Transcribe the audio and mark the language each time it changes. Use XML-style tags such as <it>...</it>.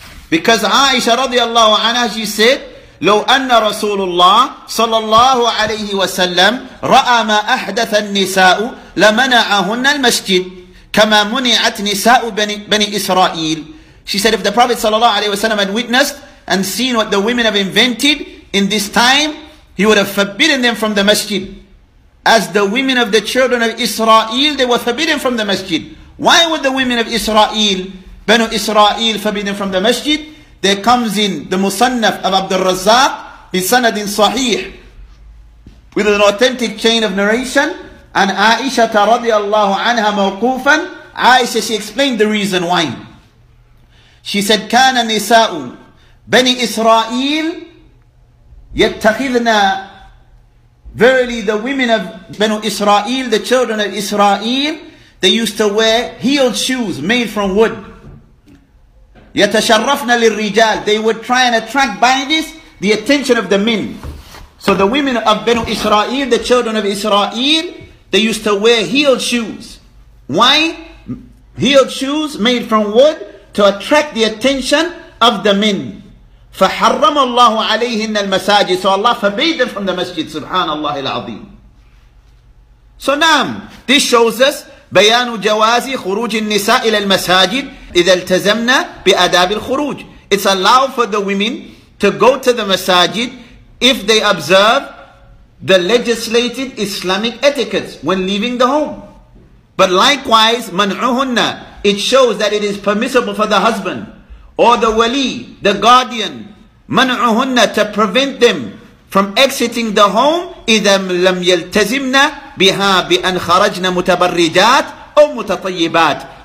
<en>Because Aisha radiallahu anha, she said,</en> <ar>لو أن رسول الله صلى الله عليه وسلم رأى ما أحدث النساء لمنعهن المسجد كما منعت نساء بني إسرائيل.</ar> <en>She said, if the Prophet</en> <ar>صلى الله عليه وسلم</ar> <en>had witnessed and seen what the women have invented in this time, he would have forbidden them from the masjid, as the women of the children of Israel, they were forbidden from the masjid. Why would the women of Israel, Banu Israel, forbidden from the masjid? There comes in the Musannaf of Abdul Razzaq,</en> <ar>بسند صحيح</ar> <en>with an authentic chain of narration and Aisha</en> <ar>رضي الله عنها موقوفا.</ar> <en>Aisha, she explained the reason why. She said</en> <ar>كان نساء بني إسرائيل يتخذنا.</ar> <en>Verily the women of Banu Israel, the children of Israel, they used to wear heeled shoes made from wood.</en> <ar>يَتَشَرَّفْنَا لِلْرِجَالِ.</ar> <en>They would try and attract by this the attention of the men. So the women of Banu Israel, the children of Israel, they used to wear heeled shoes. Why? Heeled shoes made from wood to attract the attention of the men.</en> <ar>فَحَرَّمَ اللَّهُ عَلَيْهِنَّ الْمَسَاجِدِ.</ar> <en>So Allah forbade them from the masjid.</en> <ar>Subhanallahil Azim.</ar> <en>So now, this shows us</en> <ar>بيان جواز خروج النساء إلى المساجد إذا التزمنا بأداب الخروج.</ar> <en>It's allowed for the women to go to the masajid if they observe the legislated Islamic etiquettes when leaving the home. But likewise,</en> <ar>منعهن.</ar> <en>It shows that it is permissible for the husband or the wali, the guardian, منعهن, to prevent them from exiting the home</en> <ar>إذا لم يلتزمنا بها بأن خرجنا متبرجات أو متطيبات.</ar>